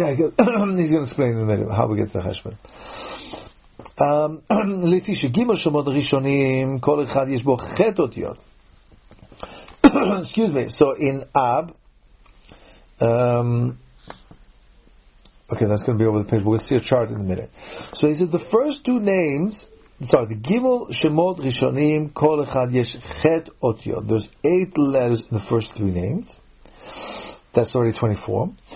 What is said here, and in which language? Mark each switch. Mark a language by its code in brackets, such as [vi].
[en] He's going to explain in a minute how we get to the Cheshbon. [he] לפי שגימל שמות ראשונים כל אחד יש בו חטא אותיות. [en] Excuse me. So in Ab, okay, that's going to be over the page. We'll see a chart in a minute. So he said the first two names, sorry, the [he] Gimel Shemot Rishonim, Kol Echad Yesh Chet Otiyot. [en] There's eight letters in the first three names. That's already 24.